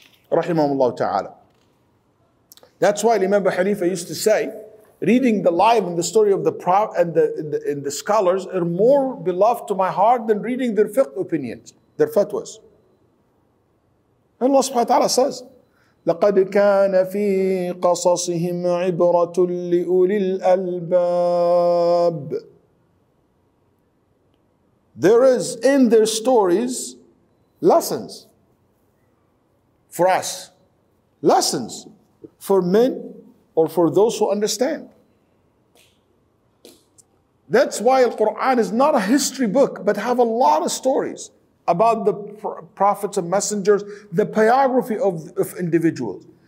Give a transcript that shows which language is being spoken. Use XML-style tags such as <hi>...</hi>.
<en>Rahimahullah Ta'ala. That's why Imam Abu Hanifa used to say, reading the life and the story of the Prophet and the scholars are more beloved to my heart than reading their fiqh opinions, their fatwas. And Allah subhanahu wa ta'ala says,</en> <ar>لقد كان في قصصهم عبرة لأولي الألباب.</ar> <en>There is in their stories lessons for us, lessons for men or for those who understand. That's why the Quran is not a history book, but have a lot of stories about the prophets and messengers, the biography of individuals.</en>